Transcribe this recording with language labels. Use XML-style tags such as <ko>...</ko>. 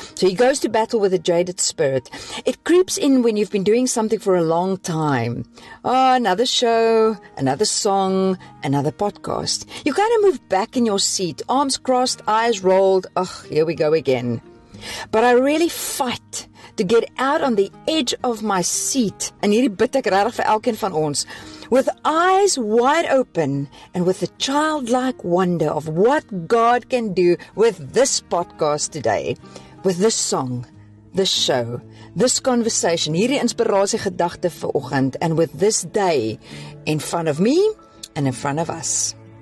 <en>So he goes to battle with a jaded spirit. It creeps in when you've been doing something for a long time. Oh, another show, another song, another podcast. You kind of move back in your seat, arms crossed, eyes rolled. Ugh, here we go again. But I really fight to get out on the edge of my seat.</en> <af>En hierdie bid ek regtig vir elkeen van ons.</af> <en>With eyes wide open and with the childlike wonder of what God can do with this podcast today. With this song, this show, this conversation,</en> <af>hierdie inspirasie gedagte vir oggend,</af> <en>and with this day in front of me and in front of us.</en>